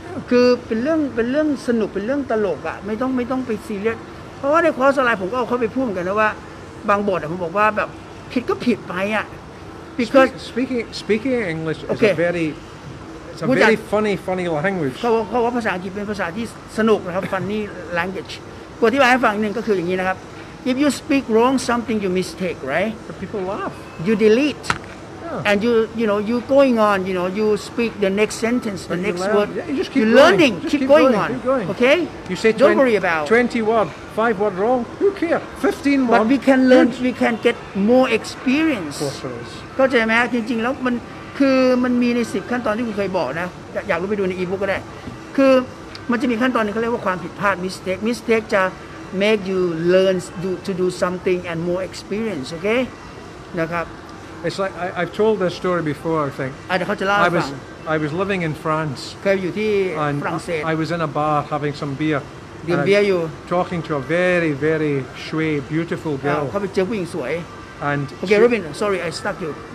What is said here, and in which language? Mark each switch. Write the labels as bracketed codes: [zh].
[th] คือเป็นเรื่องสนุกเป็นเรื่องตลกอ่ะไม่ต้องไปซีเรียสเพราะว่าในคอร์สออนไลน์ผมก็เอาเขาไปพูดกันนะว่าบางบทผมบอกว่าแบบผิดก็ผิดไปอ่ะ because [en] speaking English is a veryIt's a very funny language. [th] เขาบอกว่าภาษาอังกฤษเป็นภาษาที่สนุกนะครับ [en] funny language. [th] กฎที่มาให้ฟังหนึ่งก็คืออย่างนี้นะครับ [en] If you speak wrong something you mistake right? The people laugh. You delete. Yeah. And you know you going on you know you speak the next sentence the next word. Yeah, you just keep you're learning. Keep going. Okay. You say don't worry about 20 word 5 word wrong. Who care? 15 word. But we can learn. We can get more experience. Of course [th] there is. เข้าใจไหมจริงๆแล้วมันคือมันมีใน10ขั้นตอนที่คุณเคยบอกนะอยากรู้ไปดูในอีบุ๊กก็ได้คือมันจะมีขั้นตอนนึงเขาเรียกว่าความผิดพลาด mistake จะ [en] make you learn to do something and more experience okay [th] นะครับ [en] it's like I've told this story before I think [th] เดี๋ยวเขาจะเล่าให้ฟัง [en] I was living in France [th] เคยอยู่ที่ฝรั่งเศส [en] I was in a bar having some beer [th] ดื่มเบียร์อยู่ [en] talking to a very very sweet beautiful girl [th] เขาไปเจอผู้หญิงสวย [en] And okay, Robin. Sorry, I stuck you.